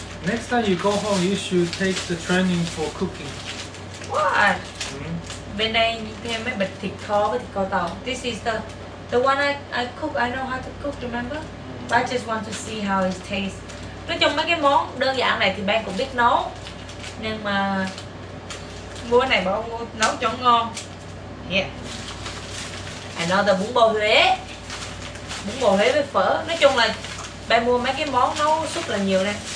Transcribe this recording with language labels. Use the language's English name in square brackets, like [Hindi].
[English] Next time you go home, you should take the training for cooking. What? Mm-hmm. [Vietnamese] Bên đây thêm mấy bịch thịt kho với thịt kho tàu. [English] This is the one I cook. I know how to cook. Remember? But I just want to see how it tastes. [Vietnamese] Nói chung mấy cái món đơn giản này thì Ben cũng biết nấu. Nhưng mà mua này bỏ mua nấu cho ngon. Yeah. Another bún bò Huế. Bún bò Huế với phở. Nói chung là Ben mua mấy cái món nấu súp là nhiều nè.